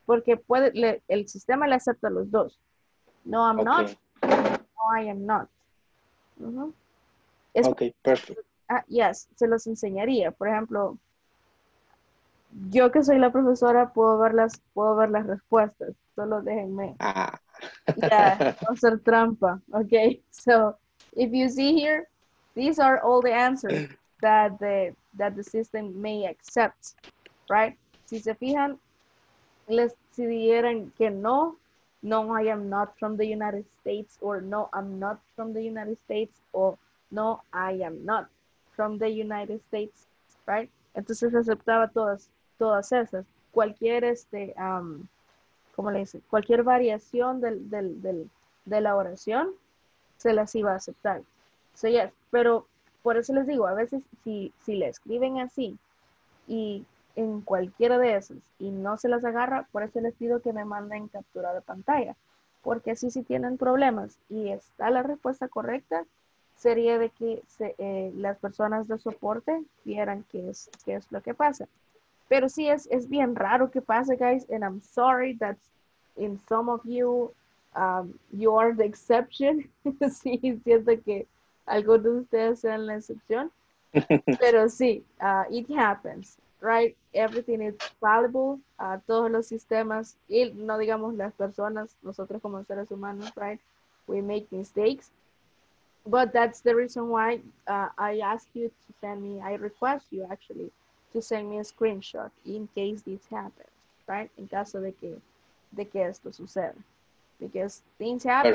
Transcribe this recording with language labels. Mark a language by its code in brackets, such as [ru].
[es] Porque puede, le, el sistema le acepta los dos. [en] No, I'm not. No, I am not. [es] Es, [en] okay, perfect. Yes, [es] se los enseñaría. Por ejemplo, yo que soy la profesora puedo ver las respuestas. Solo déjenme. Ah. [en] Yeah, [es] no hacer trampa. [en] Okay, so if you see here, these are all the answers that the system may accept, right? [es] Si se fijan, les si dieran que no, no, [en] I am not from the United States, or no, I'm not from the United States, [es] o [en] no, I am not from the United States, right? [es] Entonces aceptaba todas esas. Cualquier, ¿cómo le dice? Cualquier variación de la oración se las iba a aceptar. So, yes, pero por eso les digo, a veces si le escriben así y... en cualquiera de esas y no se las agarra, por eso les pido que me manden captura de pantalla, porque así si tienen problemas y está la respuesta correcta, sería de que se, las personas de soporte vieran qué es lo que pasa. Pero sí, es bien raro que pase, guys, [en] and I'm sorry that in some of you, you are the exception. [es] Sí, siento que algunos de ustedes sean la excepción, pero sí, [en] it happens. Right, everything is fallible, [es] todos los sistemas, y no digamos las personas, nosotros como seres humanos, [en] right, we make mistakes, but that's the reason why I ask you to send me, I request you actually, to send me a screenshot in case this happens, right, [es] en caso de que esto suceda, [en] because things happen.